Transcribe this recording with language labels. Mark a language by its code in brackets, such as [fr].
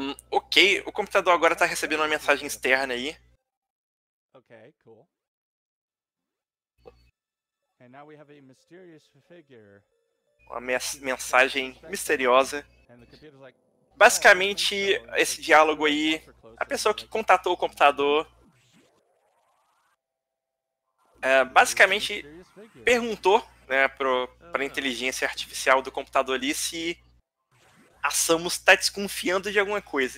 [pt] Ok, o computador agora tá recebendo uma mensagem externa aí. [en] Ok, cool. And now we have a mysterious figure. [pt] Uma mensagem misteriosa. Basicamente, esse diálogo aí, a pessoa que contatou o computador, basicamente perguntou, né, pra inteligência artificial do computador ali se a Samus tá desconfiando de alguma coisa.